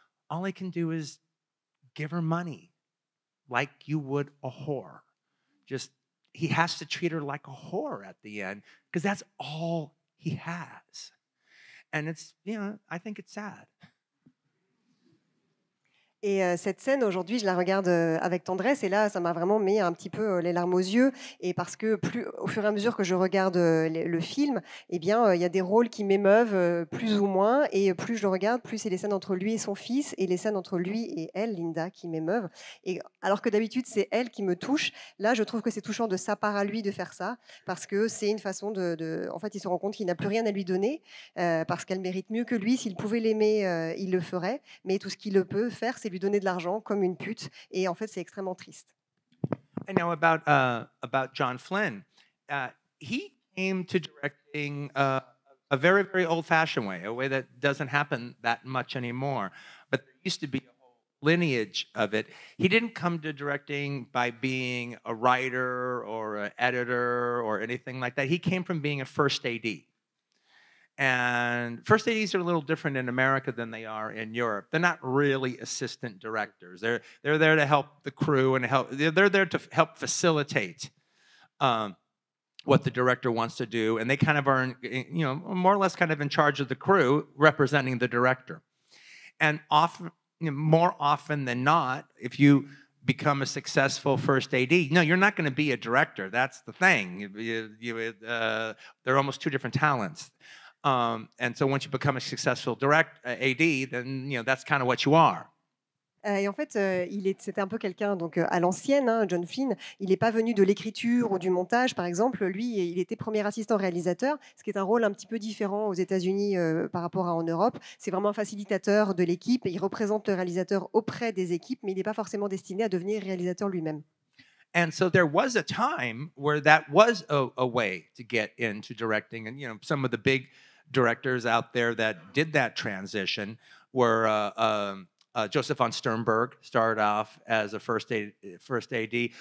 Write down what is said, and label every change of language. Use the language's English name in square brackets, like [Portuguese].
[English] All he can do is give her money like you would a whore. Just, he has to treat her like a whore at the end, because that's all he has. And it's, you know, I think it's sad. [French] Et cette scène, aujourd'hui, je la regarde avec tendresse. Et là, ça m'a vraiment mis un petit peu les larmes aux yeux. Et parce que plus, au fur et à mesure que je regarde le film, eh bien, il y a des rôles qui m'émeuvent plus ou moins. Et plus je le regarde, plus c'est les scènes entre lui et son fils et les scènes entre lui et elle, Linda, qui m'émeuvent. Et alors que d'habitude, c'est elle qui me touche, là, je trouve que c'est touchant de sa part à lui de faire ça. Parce que c'est une façon de... En fait, il se rend compte qu'il n'a plus rien à lui donner parce qu'elle mérite mieux que lui. S'il pouvait l'aimer, il le ferait. Mais tout ce qu'il peut faire, c'est lui donner de l'argent comme une pute, et en fait c'est extrêmement triste. [English] I know about John Flynn. He came to directing a very, very old-fashioned way, a way that doesn't happen that much anymore, but there used to be a whole lineage of it. He didn't come to directing by being a writer or an editor or anything like that. He came from being a first AD. And first ADs are a little different in America than they are in Europe. They're not really assistant directors. They're there to help the crew and help. They're there to help facilitate what the director wants to do. And they kind of are, you know, more or less kind of in charge of the crew, representing the director. And often, you know, more often than not, if you become a successful first AD, no, you're not going to be a director. That's the thing. They're almost two different talents. And so once you become a successful direct AD, then you know that's kind of what you are. [French] Et en fait, c'était un peu quelqu'un donc à l'ancienne, hein, John Flynn. Il n'est pas venu de l'écriture ou du montage, par exemple. Lui, il était premier assistant réalisateur, ce qui est un rôle un petit peu différent aux États-Unis par rapport à en Europe. C'est vraiment un facilitateur de l'équipe. Il représente le réalisateur auprès des équipes, mais il n'est pas forcément destiné à devenir réalisateur lui-même. [English] And so there was a time where that was a way to get into directing. And, you know, some of the big directors out there that did that transition were Joseph von Sternberg started off as a first AD.